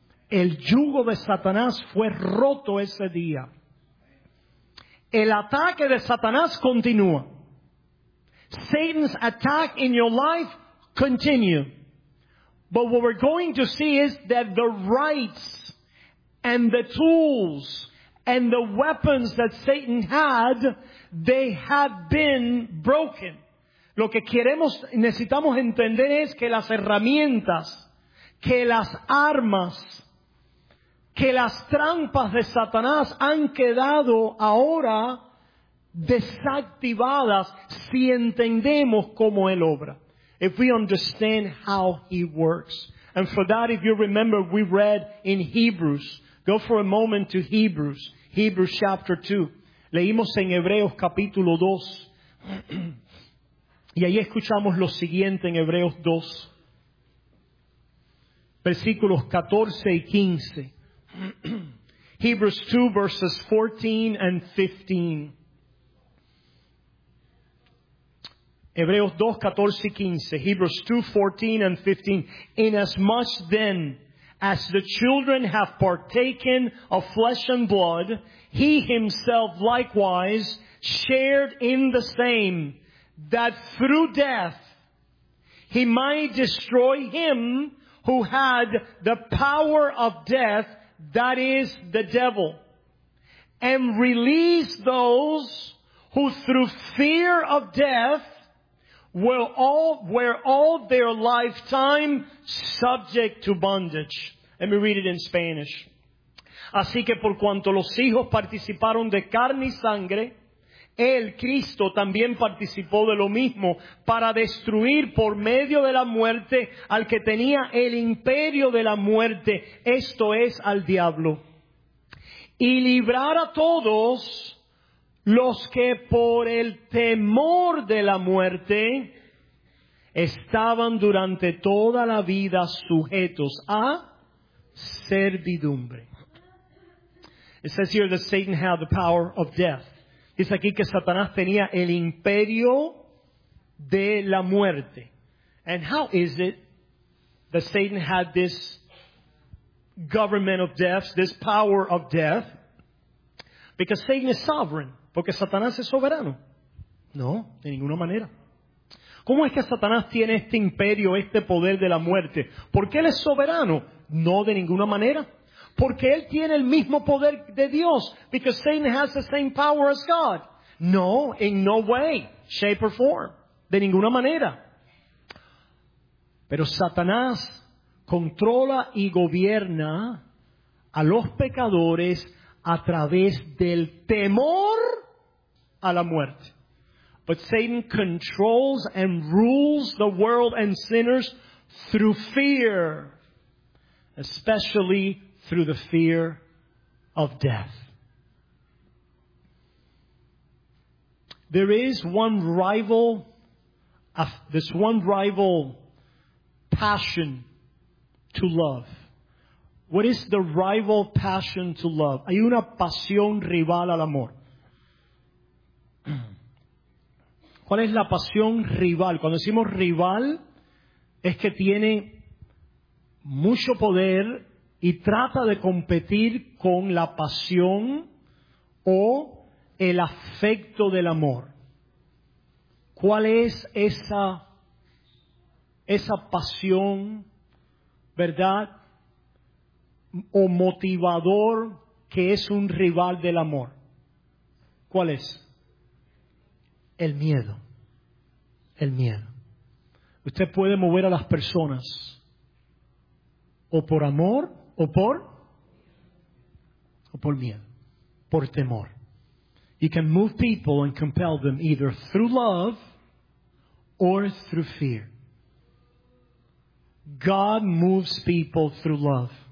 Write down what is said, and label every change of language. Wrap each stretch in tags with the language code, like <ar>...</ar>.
<es>El yugo de Satanás fue roto ese día. El ataque de Satanás continúa.</es> <en>Satan's attack in your life continue. But what we're going to see is that the rights and the tools and the weapons that Satan had, they have been broken.</en> <es>Lo que queremos, necesitamos entender es que las herramientas, que las armas, que las trampas de Satanás han quedado ahora desactivadas si entendemos cómo él obra.</es> <en>If we understand how he works. And for that, if you remember, we read in Hebrews. Go for a moment to Hebrews. Hebrews chapter 2.</en> <es>Leímos en Hebreos capítulo 2. Y ahí escuchamos lo siguiente en Hebreos 2. Versículos 14 y 15.</es> <en>Hebrews 2 verses 14 and 15.</en> <es>Hebreos 2, 14 y 15.</es> <en>Hebrews 2, 14 and 15. Inasmuch then as the children have partaken of flesh and blood, he himself likewise shared in the same, that through death he might destroy him who had the power of death, that is the devil, and release those who through fear of death were all their lifetime subject to bondage. Let me read it in Spanish.</en> <es>Así que por cuanto los hijos participaron de carne y sangre, el Cristo también participó de lo mismo para destruir por medio de la muerte al que tenía el imperio de la muerte, esto es al diablo, y librar a todos los que por el temor de la muerte estaban durante toda la vida sujetos a servidumbre.</es> <en>It says here that Satan had the power of death.</en> <es>Dice aquí que Satanás tenía el imperio de la muerte.</es> <en>And how is it that Satan had this government of death, this power of death? Because Satan is sovereign.</en> <es>Porque Satanás es soberano. No, de ninguna manera. ¿Cómo es que Satanás tiene este imperio, este poder de la muerte? Porque él es soberano. No, de ninguna manera. Porque él tiene el mismo poder de Dios.</es> <en>Because Satan has the same power as God. No, in no way, shape or form.</en> <es>De ninguna manera. Pero Satanás controla y gobierna a los pecadores a través del temor a la muerte.</es> <en>But Satan controls and rules the world and sinners through fear, especially through the fear of death. There is one rival, this one rival passion to love. What is the rival passion to love?</en> <es>Hay una pasión rival al amor. ¿Cuál es la pasión rival? Cuando decimos rival, es que tiene mucho poder y trata de competir con la pasión o el afecto del amor. ¿Cuál es esa pasión, verdad, o motivador que es un rival del amor? ¿Cuál es? El miedo. El miedo. Usted puede mover a las personas o por amor o por miedo, por temor.</es> <en>You can move people and compel them either through love or through fear. God moves people through love.</en>